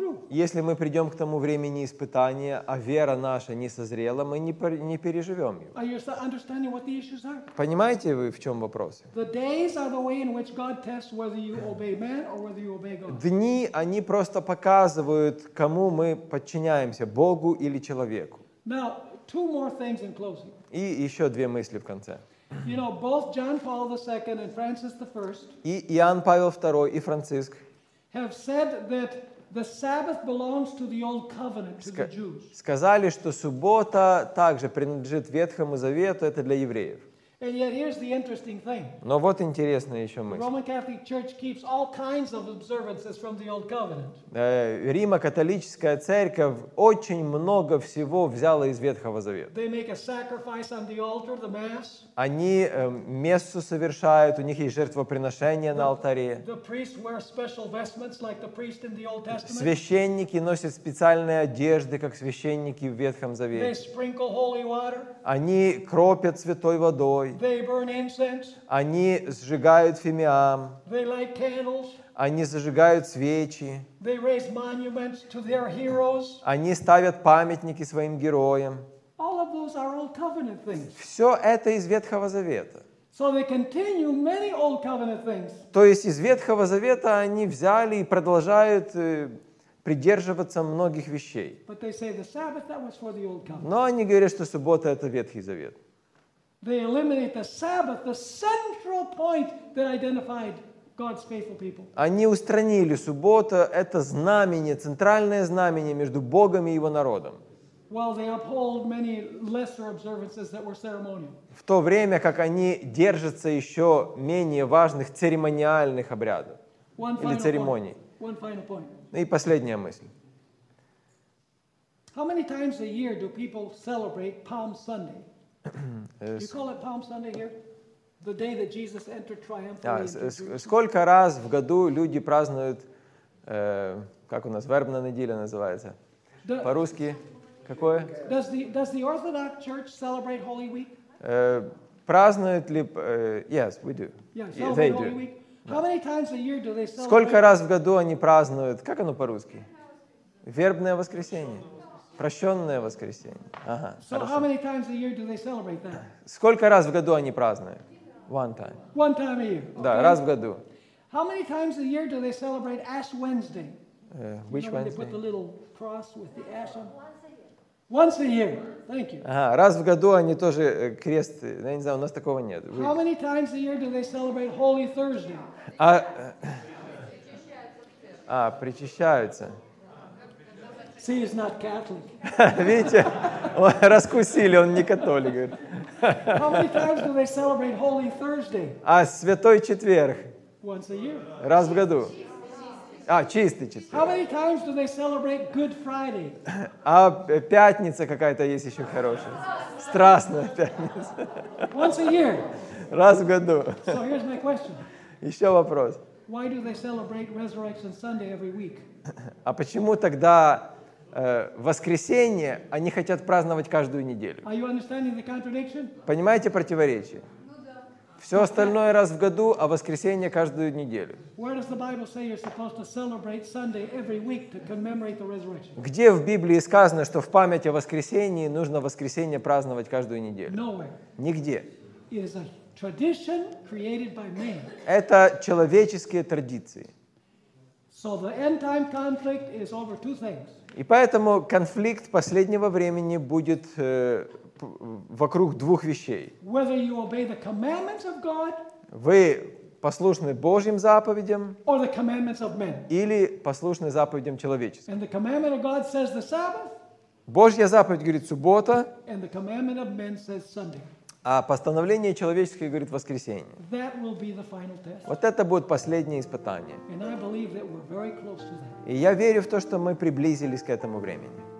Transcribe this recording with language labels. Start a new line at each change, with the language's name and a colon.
Russian: Если мы придем к тому времени испытания, а вера наша не созрела, мы не переживем его. Понимаете вы, в чем вопрос? Дни, они просто показывают, кому мы подчиняемся, Богу или человеку.
English: Now, two more things in closing.
Russian: И еще две мысли в конце.
English: You know, both John Paul II and Francis I.
Russian: И Иоанн Павел II и Франциск.
English: Have said that the Sabbath belongs to the old covenant to the Jews.
Russian: Сказали, что суббота также принадлежит Ветхому Завету, это для евреев.
English: And yet here's the interesting thing.
Russian: Но вот интересная еще мысль.
English: Roman Catholic Church keeps all kinds of observances from the old covenant.
Russian: Римо-католическая церковь очень много всего взяла из Ветхого Завета.
English: They make a sacrifice on the altar, the mass.
Russian: Они мессу совершают, у них есть жертвоприношение на алтаре.
English: The priests wear special vestments like the priest in the Old Testament.
Russian: Священники носят специальные одежды, как священники в Ветхом Завете.
English: They sprinkle holy water.
Russian: Они кропят святой водой.
English: They burn incense.
Russian: Они сжигают фимиам.
English: They light candles.
Russian: Они зажигают свечи.
English: They raise monuments to their heroes.
Russian: Они ставят памятники своим героям.
English: All of those are old covenant things.
Russian: Все это из Ветхого Завета.
English: So they continue many old covenant things.
Russian: То есть из Ветхого Завета они взяли и продолжают придерживаться многих вещей.
English: But they say the Sabbath, that was for the old covenant.
Russian: Но они говорят, что суббота это Ветхий Завет.
English: They eliminate the Sabbath, the central point that identified God's faithful people.
Russian: Они устранили субботу, это знамение, центральное знамение между Богом и его народом.
English: Well, they uphold many lesser observances that were ceremonial.
Russian: В то время, как они держатся еще менее важных церемониальных обрядов или церемоний.
English: One final point.
Russian: И последняя мысль.
English: How many times a year do people celebrate Palm Sunday? You call it Palm Sunday here? The day that Jesus entered triumphantly into Jerusalem.
Russian: Сколько раз в году люди празднуют, как у нас вербная неделя называется? По-русски какое?
English: Does the Orthodox Church celebrate Holy Week?
Russian: Празднуют ли?
English: Yes, we do. Yeah, they do. How many times a year do they celebrate?
Russian: Сколько раз в году они празднуют? Как оно по-русски? Вербное воскресенье. Прощённое воскресенье. Ага, so хорошо.
English: How many times a year do they celebrate that?
Russian: Сколько раз в году они празднуют?
English: One time a year.
Russian: Да, okay. Раз в году.
English: How many times a year do they celebrate Ash Wednesday? Which you know, Wednesday? They put the little cross with the ash on. Once a year. Thank you.
Russian: Ага, раз в году они тоже крест. Я не знаю, у нас такого нет.
English: How many times a year do they celebrate Holy Thursday?
Russian: Причащаются.
English: See, he's not Catholic.
Russian: Видите, раскусили, он не католик.
English: How many times do they celebrate Holy Thursday?
Russian: А Святой Четверг.
English: Once a year.
Russian: Раз в году. Чистый четверг.
English: How many times do they celebrate Good Friday?
Russian: А пятница какая-то есть еще хорошая. Страстная пятница.
English: Once a year.
Russian: Раз в году.
English: So here's my question.
Russian: Еще вопрос.
English: Why do they celebrate Resurrection Sunday every week?
Russian: А почему тогда воскресенье они хотят праздновать каждую неделю?
English: Are you understanding the contradiction?
Russian: Понимаете противоречие? Все остальное раз в году, а воскресенье каждую неделю.
English: Where does the Bible say you're supposed to celebrate Sunday every week to commemorate the resurrection?
Russian: Где в Библии сказано, что в память о воскресении нужно воскресенье праздновать каждую неделю?
English: Nowhere.
Russian: Нигде.
English: It is a tradition created by man.
Russian: Это человеческие традиции.
English: So the end time conflict is over two things.
Russian: И поэтому конфликт последнего времени будет вокруг двух вещей.
English: Whether you obey the commandments of God,
Russian: вы послушны Божьим заповедям,
English: or the commandments of men.
Russian: Или послушны заповедям человеческим.
English: And the commandment of God says the Sabbath,
Russian: Божья заповедь говорит суббота,
English: and the commandment of men says Sunday.
Russian: А постановление человеческое говорит воскресенье.
English: That will be the final test.
Russian: Вот это будет последнее испытание.
English: And I believe that we're very close to that.
Russian: И я верю в то, что мы приблизились к этому времени.